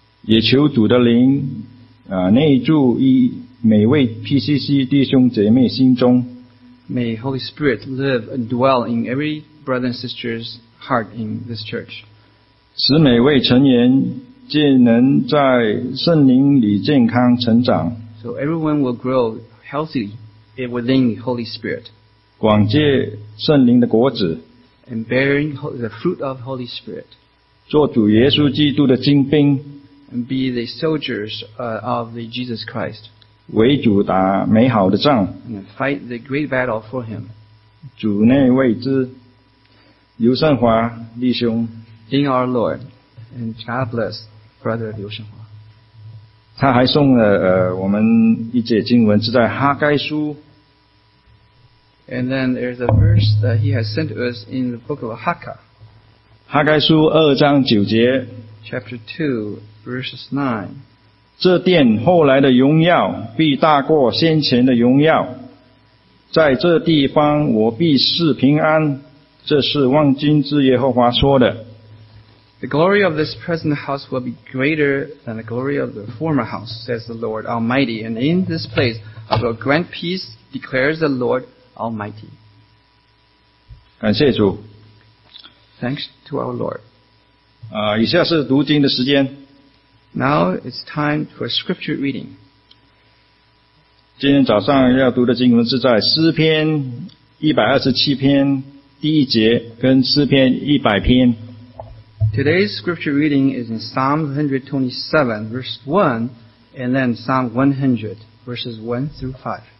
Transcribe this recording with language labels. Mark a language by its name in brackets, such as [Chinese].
[Chinese] 也求主的灵内住于每位 PCC 弟兄姐妹心中。 [English] May Holy Spirit live and dwell in every brother and sister's heart in this church. [Chinese] 使每位成员皆能在圣灵里健康成长。 [English] So everyone will grow healthy within the Holy Spirit. [Chinese] 广结圣灵的果子。 [English] And bearing the fruit of the Holy Spirit. [Chinese] 做主耶稣基督的精兵。 [English] And be the soldiers of the Jesus Christ. [Chinese] 为主打美好的仗。 [English] And fight the great battle for him. [Chinese] 主内为之。刘胜华弟兄。 [English] In our Lord. And God bless brother 刘胜华。 [Chinese] 他还送了我们一节经文是在哈该书。 [English] And then there's a verse that he has sent us in the book of Haggai. [Chinese] 哈该书二章九节。 [English] Chapter 2, verses 9. [Chinese] 这殿后来的荣耀必大过先前的荣耀。在这地方我必赐平安。这是万军之耶和华说的。 [English] The glory of this present house will be greater than the glory of the former house, says the Lord Almighty. And in this place I will grant peace, declares the Lord Almighty. [Chinese] 感谢主。 [English] Thanks to our Lord. [Chinese] 以下是读经的时间。 [English] Now it's time for scripture reading. [Chinese] 今天早上要读的经文是在诗篇127篇第一节跟诗篇100篇。 [English] Today's scripture reading is in Psalm 127, verse 1, and then Psalm 100, verses 1 through 5.